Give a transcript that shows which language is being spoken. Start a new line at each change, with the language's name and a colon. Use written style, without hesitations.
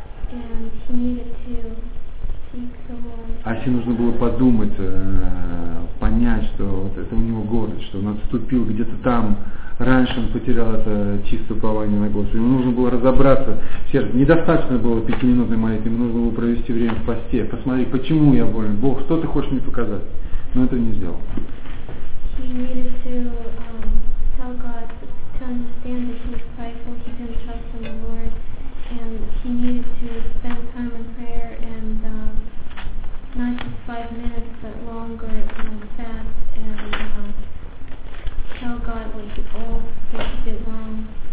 English: And he needed to seek the Lord.
Russian: Асе нужно было подумать, понять, что вот это у него гордость, что он отступил где-то там, раньше он потерял это чистое упование на Господа. Ему нужно было разобраться. Сердце, недостаточно было 5-минутной молитвы, ему нужно было провести время в посте, посмотреть, почему я болен. Бог, что ты хочешь мне показать? Но это не сделал.
English: He needed to tell God to understand that he was prideful, he didn't trust in the Lord, and he needed to spend time in prayer and not just 5 minutes but longer and fast and tell God what he owed, what he did wrong.